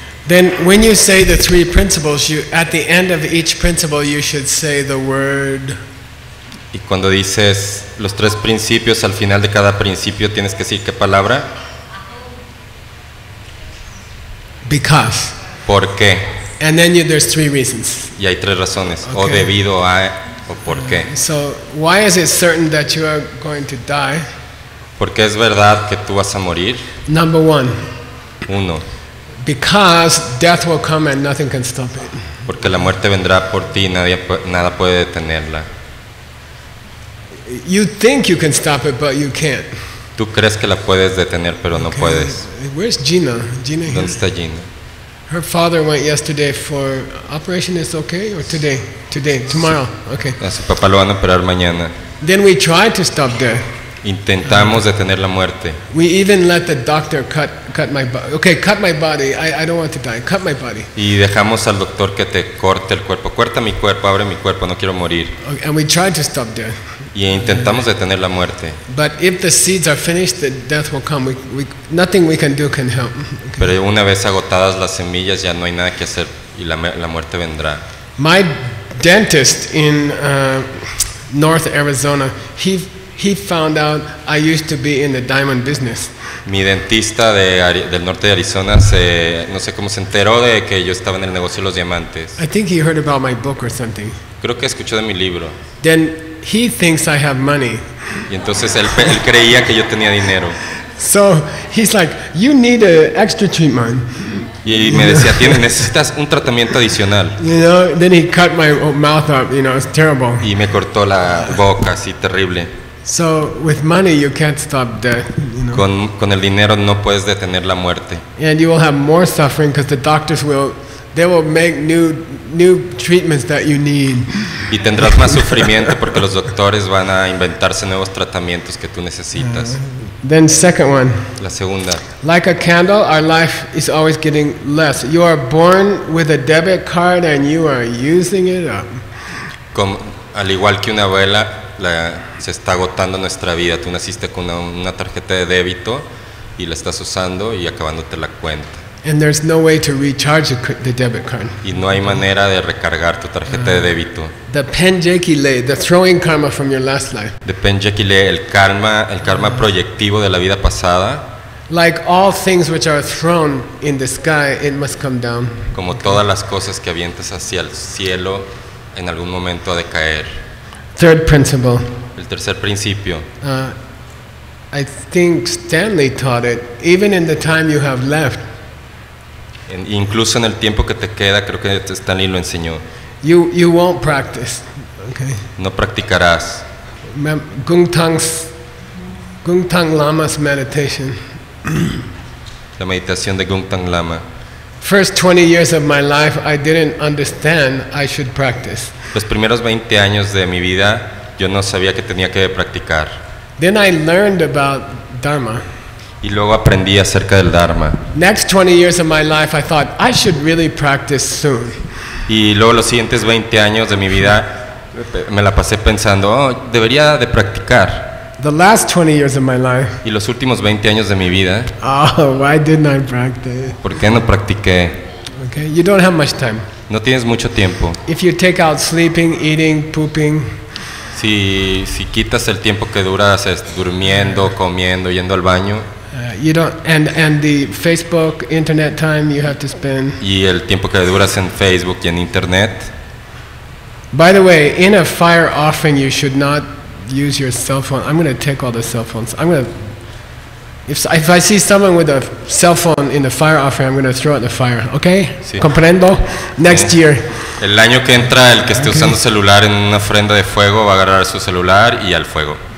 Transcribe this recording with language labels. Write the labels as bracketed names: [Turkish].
[English] Then when you say the 3 principles, you at the end of each principle you should say the word. [Spanish] Y cuando dices los 3 principios al final de cada principio tienes que decir qué palabra? [English] Because. [Spanish] ¿Por qué? [English] And then there's 3 reasons. [Spanish] Y hay 3 razones, okay. O debido a o por qué. [English] So why is it certain that you are going to die? [Spanish] Porque es verdad que tú vas a morir. [English] Number 1. [Spanish] 1. [English] Because death will come and nothing can stop it. [Spanish] Porque la muerte vendrá por ti y nada puede detenerla. [English] You think you can stop it but you can't. [Spanish] Tú crees que la puedes detener pero okay. No puedes. [English] Where's Gina? [Spanish] ¿Dónde está Gina? [English] Her father went yesterday for operation, is okay or today? Today, tomorrow. Okay. [Spanish] A su papá lo van a operar mañana. [English] Then we tried to stop death. [Spanish] Intentamos detener la muerte. [English] We even let the doctor cut my body. Okay, cut my body. I don't want to die. Cut my body. [Spanish] Y dejamos al doctor que te corte el cuerpo. Corta mi cuerpo, abre mi cuerpo, no quiero morir. [English] Okay, and we tried to stop death. [Spanish] Y intentamos detener la muerte. [English] But if the seeds are finished, the death will come. We nothing we can do can help. Okay. [Spanish] Pero una vez agotadas las semillas, ya no hay nada que hacer y la muerte vendrá. [English] My dentist in North Arizona, he found out I used to be in the diamond business. [Spanish] Mi dentista del norte de Arizona no sé cómo se enteró de que yo estaba en el negocio de los diamantes. [English] I think he heard about my book or something. [Spanish] Creo que escuchó de mi libro. [English] Then he thinks I have money. [Spanish] Y entonces él creía que yo tenía dinero. [English] So he's like, you need an extra treatment. [Spanish] Y me decía, necesitas un tratamiento adicional. [English] You know, then he cut my mouth up, you know, it's terrible. [Spanish] Y me cortó la boca, así terrible. [English] So with money you can't stop death, you know. [Spanish] Con el dinero no puedes detener la muerte. [English] And you will have more suffering because the doctors will make new treatments that you need. [Spanish] Y tendrás más sufrimiento porque los doctores van a inventarse nuevos tratamientos que tú necesitas. [English] Then second one. [Spanish] La segunda. [English] Like a candle, our life is always getting less. You are born with a debit card and you are using it up. [Spanish] Como al igual que una vela, se está agotando nuestra vida. Tú naciste con una tarjeta de débito y la estás usando y acabándote la cuenta. [English] And there's no way to recharge the debit card. [Spanish] Y no hay manera de recargar tu tarjeta de débito. [English] The penjekile, the throwing karma from your last life. [Spanish] The penjekile, el karma proyectivo de la vida pasada. [English] Like all things which are thrown in the sky, it must come down. [Spanish] Como todas las cosas que avientas hacia el cielo, en algún momento ha de caer. [English] Third principle. [Spanish] El tercer principio. [English] I think Stanley taught it, even in the time you have left. [Spanish] Incluso en el tiempo que te queda, creo que Stanley lo enseñó. [English] You won't practice. Okay. [Spanish] No practicarás. [English] Gungtang Lama's meditation. [Spanish] La meditación de Gungtang Lama. [English] First 20 years of my life, I didn't understand I should practice. [Spanish] Los primeros 20 años de mi vida, yo no sabía que tenía que practicar. [English] Then I learned about Dharma. [Spanish] Y luego aprendí acerca del Dharma. [English] Next 20 years of my life, I thought I should really practice soon. [Spanish] Y luego los siguientes 20 años de mi vida, me la pasé pensando, oh, debería de practicar. [English] The last 20 years of my life. [Spanish] Y los últimos 20 años de mi vida. [English] Oh, why didn't I practice? [Spanish] ¿Por qué no practiqué? [English] Okay, you don't have much time. [Spanish] No tienes mucho tiempo. [English] If you take out sleeping, eating, pooping. [Spanish] Si quitas el tiempo que duras durmiendo, comiendo, yendo al baño. [English] You don't and the Facebook internet time you have to spend. [Spanish] Y el tiempo que duras en Facebook y en internet. [English] By the way, in a fire offering you should not use your cell phone. I'm going to take all the cell phones. I'm going to if I see someone with a cell phone in the fire offering, I'm going to throw it in the fire. Okay? [Spanish] Sí. Comprendo? [English] Next year. [Spanish] El año que entra el que esté okay. Usando celular en una ofrenda de fuego va a agarrar su celular y al fuego.